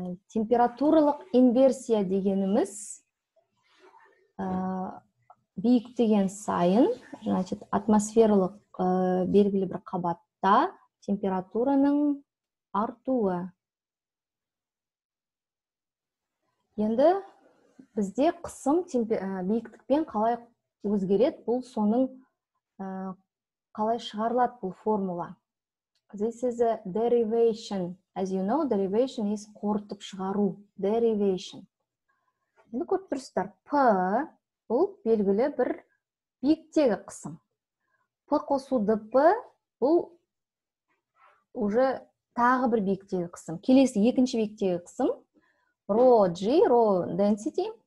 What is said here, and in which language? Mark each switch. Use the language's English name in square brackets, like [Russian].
[Kazakh] Температуралық инверсия дегеніміз биіктеген сайын, значит, атмосфералық белгілі бір қабатта температураның артуы. Енді бізде қысым биіктікпен қалай өзгереді, бұл соның қалай шығарылады бұл формула. [English] This is a derivation. As you know, derivation is [Kazakh] қорытып шығару. [English] Derivation. [Kazakh] Енді көріп тұрсыздар, P бұл белгілі бір биіктегі қысым. P қосу DP бұл уже тағы бір биіктегі қысым. Келесі екінші биіктегі қысым Rho G, Rho density.